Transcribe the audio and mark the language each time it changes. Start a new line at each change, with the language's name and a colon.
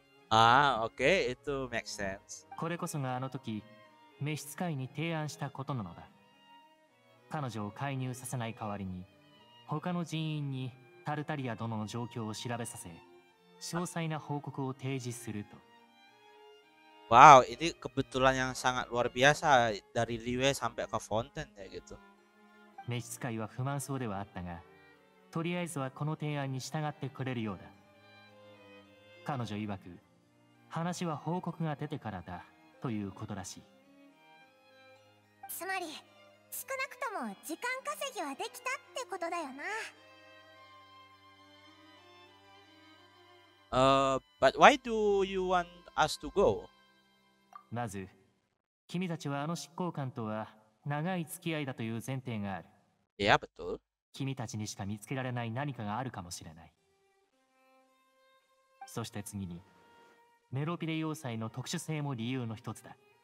English: ああ、okay、it makes sense。
Japanese: これこそがあの時召使いに提案したことなのだ。彼女を介入させない代わりに、他の人員にタルタリア殿の状況を調べさせ、詳細な報告を提示すると。
Indonesian: Wow、ini kebetulan yang sangat luar biasa dari Liwei sampai ke Fonten ya gitu。
Japanese: 召使いは不満そうではあったが、とりあえずはこの提案に従ってくれるようだ。彼女曰く、話は報告が出てからだということらしい。つまり少なくとも時間稼ぎはできたってことだよな。
English: But why do you want us to go？
Japanese: まず君たちはあの執行官とは長い付き合いだという前提がある。いや、
English: but
Japanese: 君たちにしか見つけられない何かがあるかもしれない。そして次にメロピデ要塞の特殊性も理由の一つだ。